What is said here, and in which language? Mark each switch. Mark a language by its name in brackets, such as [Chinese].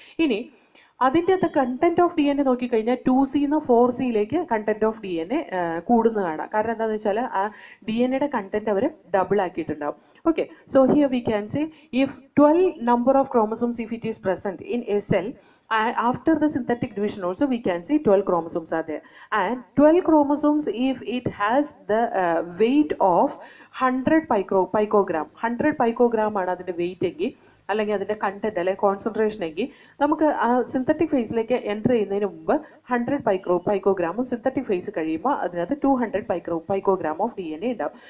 [Malayalam] ഇനി അതിൻ്റെ അകത്ത് കണ്ടൻറ്റ് ഓഫ് DNA നോക്കിക്കഴിഞ്ഞാൽ 2C നിന്ന് 4C കണ്ടൻറ്റ് ഓഫ് DNA കൂടുന്ന കാണാം. കാരണം എന്താണെന്ന് വെച്ചാൽ ആ DNAയുടെ content our ഡബിളാക്കിയിട്ടുണ്ടാവും. [English] Okay, so here we can say if 12 number of chromosomes if it is present in a cell After the synthetic division also, we can see 12 chromosomes are there. And 12 chromosomes, if it has the weight [Malayalam] of 100 picogram, 100 picogram is the weight, അല്ലെങ്കിൽ അതിൻ്റെ content അല്ലെങ്കിൽ concentration എങ്കിൽ നമുക്ക് ആ synthetic ഫേസിലേക്ക് enter ചെയ്യുന്നതിന് മുമ്പ് 100 പൈക്രോപൈക്കോഗ്രാമും synthetic face കഴിയുമ്പോൾ അതിനകത്ത് 200 പൈക്രോപൈക്കോഗ്രാം ഓഫ് ഡി എൻ എ ഉണ്ടാവും.